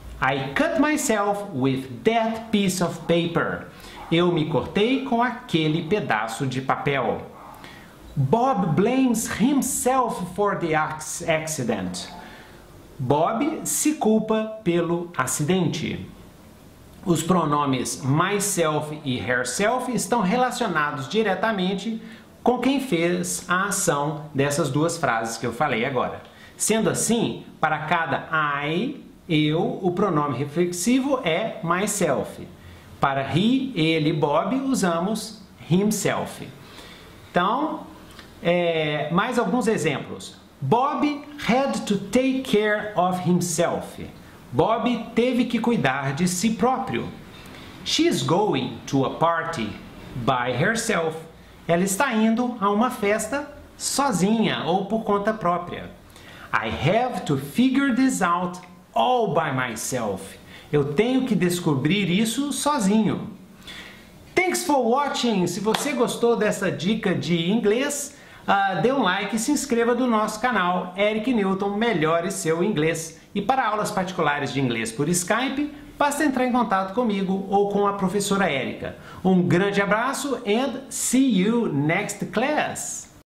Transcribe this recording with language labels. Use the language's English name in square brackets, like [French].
[English] I cut myself with that piece of paper. [Portuguese] Eu me cortei com aquele pedaço de papel. [English] Bob blames himself for the accident. [Portuguese] Bob se culpa pelo acidente. Os pronomes myself e herself estão relacionados diretamente com quem fez a ação dessas duas frases que eu falei agora. Sendo assim, para cada I, eu, o pronome reflexivo é myself. Para he, ele, Bob, usamos himself. Então, mais alguns exemplos. [English] Bob had to take care of himself. [Portuguese] Bob teve que cuidar de si próprio. [English] She's going to a party by herself. [Portuguese] Ela está indo a uma festa sozinha ou por conta própria. [English] I have to figure this out all by myself. [Portuguese] Eu tenho que descobrir isso sozinho. [English] Thanks for watching. [Portuguese] Se você gostou dessa dica de inglês, dê um like e se inscreva no nosso canal Eric Newton Melhore Seu Inglês. E para aulas particulares de inglês por Skype, basta entrar em contato comigo ou com a professora Erika. Um grande abraço [English] and see you next class!